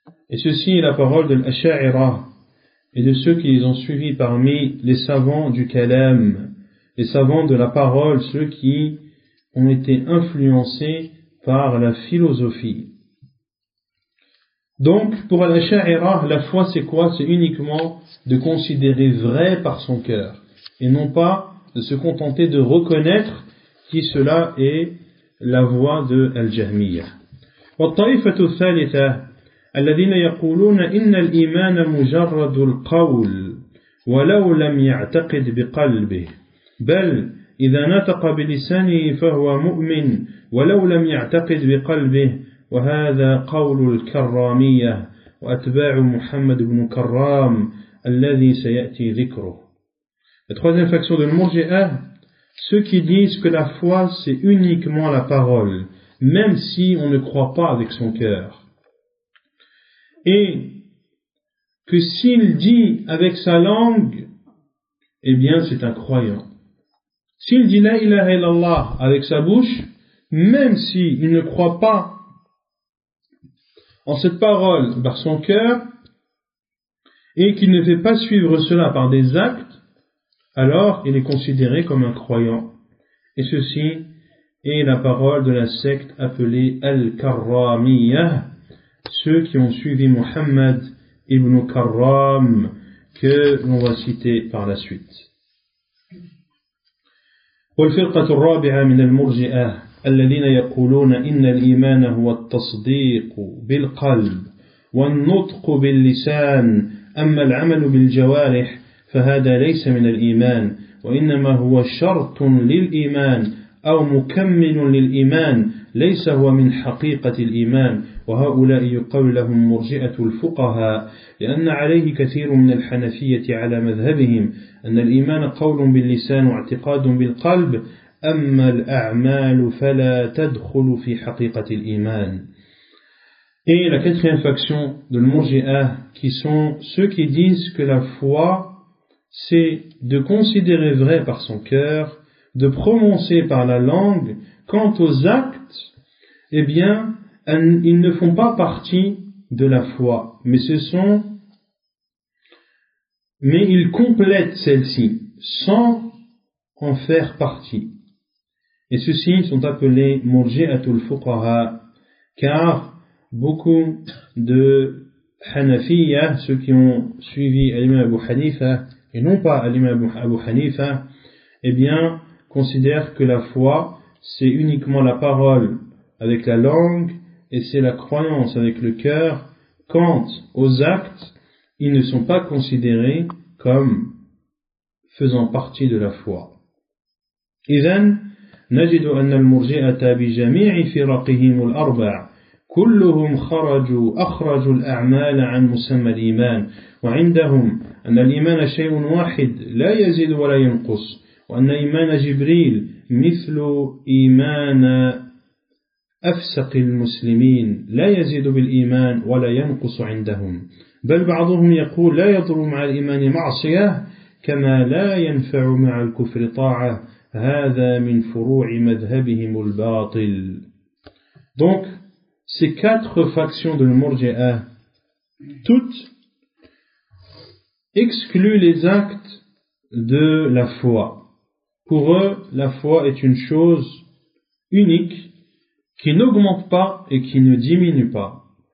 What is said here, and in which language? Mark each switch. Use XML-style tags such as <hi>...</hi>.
<fr>Et ceci est la parole de l'Asha'ira et de ceux qui les ont suivis parmi les savants du Kalam, les savants de la parole, ceux qui ont été influencés par la philosophie. Donc, pour l'Asha'ira, la foi c'est quoi? C'est uniquement de considérer vrai par son cœur. Et non pas de se contenter de reconnaître qui cela est la voix de Al-Jahmiyyah.</fr> <ar>والطائفة الثالثة الذين يقولون إن الإيمان مجرد القول ولو لم يعتقد بقلبه بل إذا نطق بلسانه فهو مؤمن ولو لم يعتقد بقلبه وهذا قول الكرامية وأتباع محمد بن كرام الذي سيأتي ذكره.</ar> <fr>La troisième faction de Mourji'a, ceux qui disent que la foi c'est uniquement la parole, même si on ne croit pas avec son cœur. Et que s'il dit avec sa langue, eh bien c'est un croyant. S'il dit la ilaha illallah avec sa bouche, même s'il ne croit pas en cette parole par son cœur, et qu'il ne fait pas suivre cela par des actes, alors il est considéré comme un croyant. Et ceci est la parole de la secte appelée Al-Karramiyyah, ceux qui ont suivi Muhammad ibn Karram, que l'on va citer par la suite.</fr> <ar>والفرقة الرابعة من المرجئة الذين يقولون إن الإيمان هو التصديق بالقلب والنطق باللسان أما العمل بالجوارح فهذا ليس من الإيمان وإنما هو شرط للإيمان أو مكمل للإيمان ليس هو من حقيقة الإيمان وهؤلاء يقول لهم مرجئة الفقهاء لأن عليه كثير من الحنفية على مذهبهم أن الإيمان قول باللسان واعتقاد بالقلب أما الأعمال فلا تدخل في حقيقة الإيمان.</ar> <fr>Et la quatrième faction de l'Mourji'a, qui sont ceux qui disent que la foi, c'est de considérer vrai par son cœur, de prononcer par la langue. Quant aux actes, eh bien, ils ne font pas partie de la foi, mais ils complètent celle-ci sans en faire partie. Et ceux-ci sont appelés Murji'atul Fuqaha, car beaucoup de Hanafiya, ceux qui ont suivi Al-Imam Abu Hanifa, et non pas Al-Imam Abu Hanifa, eh bien, considèrent que la foi, c'est uniquement la parole avec la langue, et c'est la croyance avec le cœur. Quant aux actes, ils ne sont pas considérés comme faisant partie de la foi.</fr> <ar>إذن نجد أن المرجئة بجميع فرقهم الأربع كلهم أخرجوا الأعمال عن مسمى الإيمان وعندهم أن الإيمان شيء واحد لا يزيد ولا ينقص وأن إيمان جبريل مثل إيمان أفسق المسلمين لا يزيد بالإيمان ولا ينقص عندهم بل بعضهم يقول لا يضر مع الإيمان معصية كما لا ينفع مع الكفر طاعة هذا من فروع مذهبهم الباطل.</ar> <fr>Donc ces quatre factions de l'Murji'a toutes excluent les actes de la foi. Pour eux, la foi est une chose unique qui n'augmente pas et qui ne diminue pas.</fr>